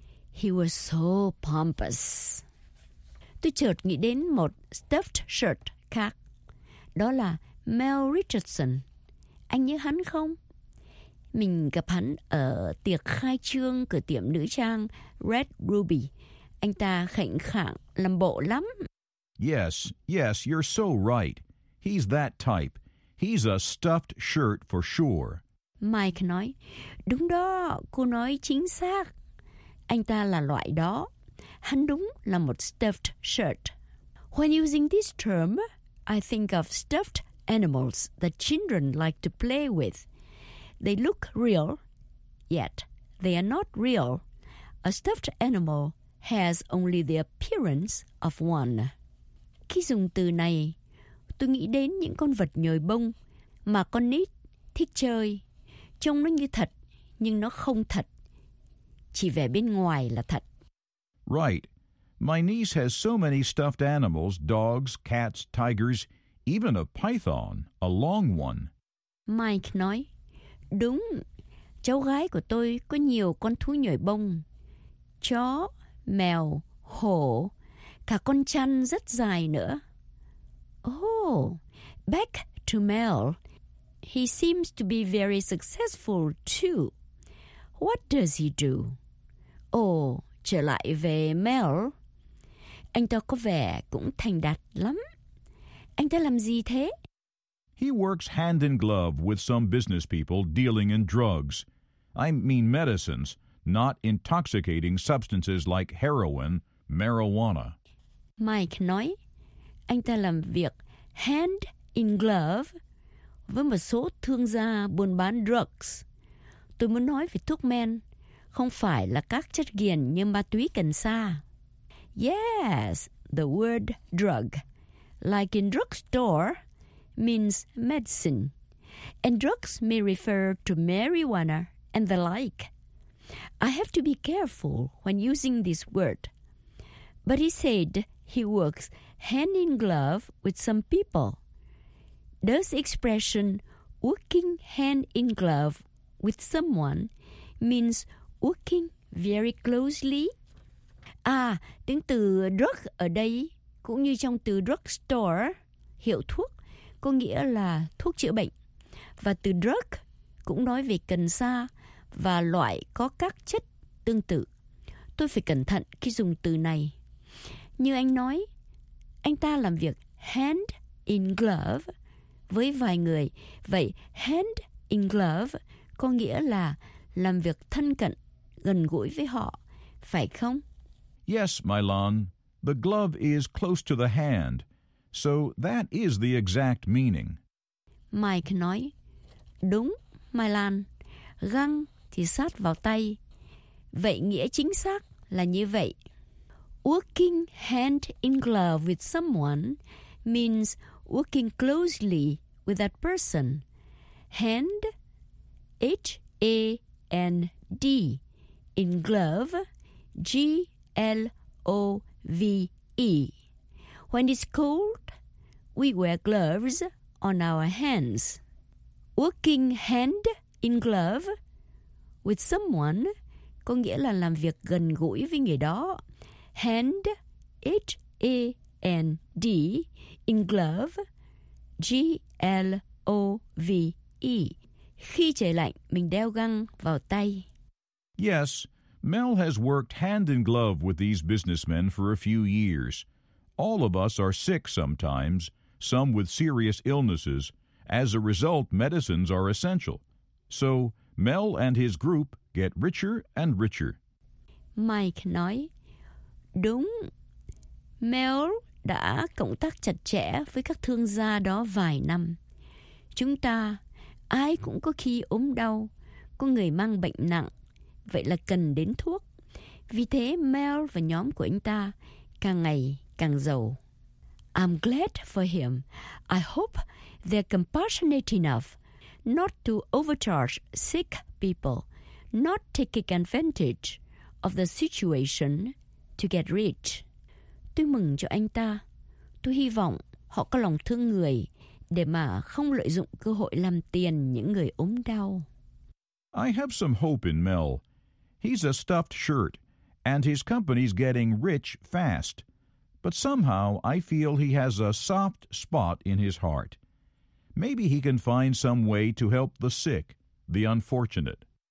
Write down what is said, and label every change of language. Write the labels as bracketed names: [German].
[English] He was so pompous. [Vietnamese] Tôi chợt nghĩ đến một stuffed shirt khác. Đó là Mel Richardson. Anh nhớ hắn không? Mình gặp hắn ở tiệc khai trương cửa tiệm nữ trang Red Ruby. Anh ta khệnh khạng, làm bộ lắm. [English] Yes, yes, you're so right. He's that type. He's a stuffed shirt for sure. Mike nói, đúng đó, cô nói chính xác. Anh ta là loại đó. Hắn đúng là một stuffed shirt. When using this term, I think of stuffed animals that children like to play with. They look real, yet they are not real. A stuffed animal has only the appearance of one. [Vietnamese] Khi dùng từ này, tôi nghĩ đến những con vật nhồi bông mà con nít thích chơi. Trông nó như thật, nhưng nó không thật. Chỉ vẻ bên ngoài là thật. [English] Right. My niece has so many stuffed animals, dogs, cats, tigers, even a python, a long one. [Vietnamese] Mike nói, đúng, cháu gái của tôi có nhiều con thú nhồi bông. Chó, mèo, hổ, cả con chăn rất dài nữa. [English] Oh, back to Mel. He seems to be very successful too. What does he do? Oh, [Vietnamese] trở lại về Mel. Anh ta có vẻ cũng thành đạt lắm. Anh ta làm gì thế? [English] He works hand in glove with some business people dealing in drugs. I mean medicines, not intoxicating substances like heroin, marijuana. [Vietnamese] Mike nói, anh ta làm việc hand in glove với một số thương gia buôn bán drugs. Tôi muốn nói về thuốc men, không phải là các chất nghiện như ma túy cần sa. [English] Yes, the word drug, like in drugstore, means medicine. And drugs may refer to marijuana and the like. I have to be careful when using this word. But he said he works hand in glove with some people. Does the expression working hand in glove with someone means working very closely? [Vietnamese] À, tiếng từ drug ở đây cũng như trong từ drugstore, hiệu thuốc, có nghĩa là thuốc chữa bệnh. Và từ drug cũng nói về cần sa và loại có các chất tương tự. Tôi phải cẩn thận khi dùng từ này. Như anh nói, anh ta làm việc hand in glove với vài người. Vậy hand in glove có nghĩa là làm việc thân cận, gần gũi với họ, phải không? [English] Yes, Milan, the glove is close to the hand. So that is the exact meaning. [Vietnamese] Mike nói, đúng, Milan, găng thì sát vào tay. Vậy nghĩa chính xác là như vậy. [English] Working hand in glove with someone means working closely with that person. Hand, H-A-N-D, in glove, G-L-O-V-E. When it's cold, we wear gloves on our hands. Working hand in glove with someone [Vietnamese] có nghĩa là làm việc gần gũi với người đó. [English] Hand, H-A-N-D, in glove, G-L-O-V-E. [Vietnamese] Khi trời lạnh, mình đeo găng vào tay. [English] Yes, Mel has worked hand in glove with these businessmen for a few years. All of us are sick sometimes, some with serious illnesses. As a result, medicines are essential. So, Mel and his group get richer and richer. [Vietnamese] Mike nói, đúng, Mel đã cộng tác chặt chẽ với các thương gia đó vài năm. Chúng ta, ai cũng có khi ốm đau, có người mang bệnh nặng, vậy là cần đến thuốc. Vì thế, Mel và nhóm của anh ta càng ngày càng giàu. [English] I'm glad for him. I hope they're compassionate enough not to overcharge sick people, not taking advantage of the situation to get rich. [Vietnamese] Tôi mừng cho anh ta. Tôi hy vọng họ có lòng thương người để mà không lợi dụng cơ hội làm tiền những người ốm đau. [English] I have some hope in Mel. He's a stuffed shirt, and his company's getting rich fast. But somehow I feel he has a soft spot in his heart. Maybe he can find some way to help the sick, the unfortunate.